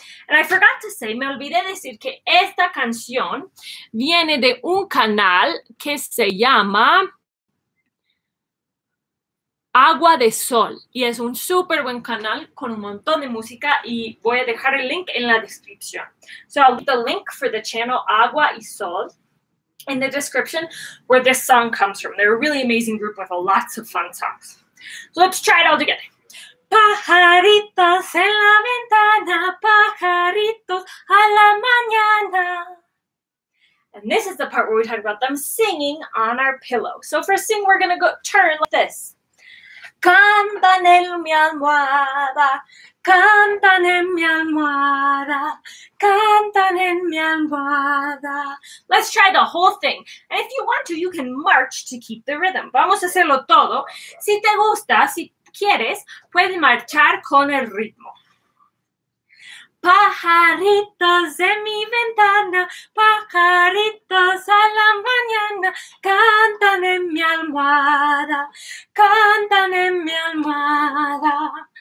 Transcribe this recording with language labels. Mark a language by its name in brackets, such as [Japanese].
[English] And I forgot to say, [Spanish] me olvidé decir que esta canción viene de un canal que se llama Agua de Sol. Y es un súper buen canal con un montón de música y voy a dejar el link en la descripción. [English] So I'll leave the link for the channel Agua y Sol in the description where this song comes from. They're a really amazing group with lots of fun songs. So let's try it all together. [Spanish] Pajaritos en la ventana, pajaritos a la mañana. [English] And this is the part where we talk about them singing on our pillow. So for a sing, we're going to go turn like this. [Spanish] Cantan en mi almohada, cantan en mi almohada, cantan en mi almohada. [English] Let's try the whole thing. And if you want to, you can march to keep the rhythm. [Spanish] Vamos a hacerlo todo. Si te gusta, si quieres, puedes marchar con el ritmo. Pajaritos en mi ventana, pajaritos a la mañana, cantan en mi almohada, cantan en mi almohada.